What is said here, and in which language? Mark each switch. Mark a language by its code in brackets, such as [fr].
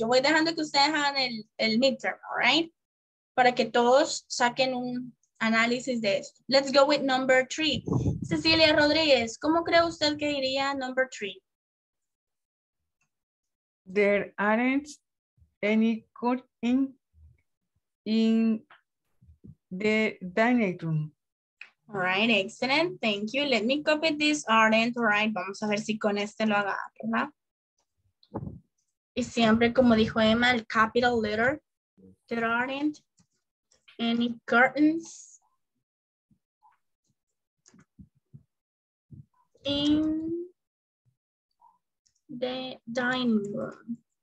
[es] Yo voy dejando que ustedes hagan el midterm, [en] all right? [es] Para que todos saquen un análisis de esto. [en] Let's go with number three. Cecilia Rodríguez, [es] ¿cómo cree usted que diría [en] number three? There aren't any cooking in the dining room. All right, excellent. Thank you. Let me copy this, aren't. All right, [es] vamos a ver si con este lo agarra. Y siempre, como dijo Emma, el capital letter. [en] There aren't any curtains in the dining room.